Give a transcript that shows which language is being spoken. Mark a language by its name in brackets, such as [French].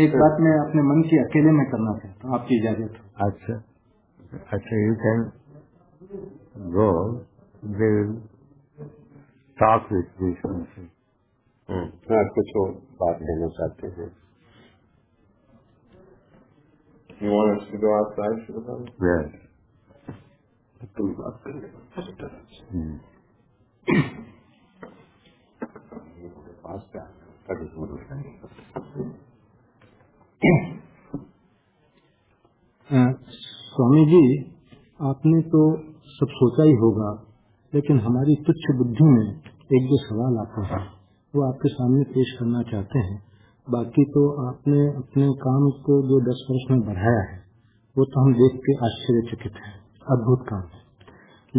[Hindi] एक बात मैं अपने मन की अकेले में करना चाहता हूँ, आपकी इजाजत हो। अच्छा अच्छा, [English] You can go they talk with me something. [Hindi] हाँ, कुछ और बात लेना चाहते हैं। [English] You want us to go outside for the moment? Yes. Let them go outside. Just do it. Hmm. You want to pass that? That is what we're saying. [Hindi] Swamiji, आपने तो सब सोचा ही होगा, लेकिन हमारी तुच्छ बुद्धि में एक दो सवाल आते हैं, वो आपके सामने पेश करना चाहते हैं। बाकी तो आपने अपने काम को जो 10 वर्ष में बढ़ाया है वो तो हम देख के आश्चर्यचकित हैं, अद्भुत काम है।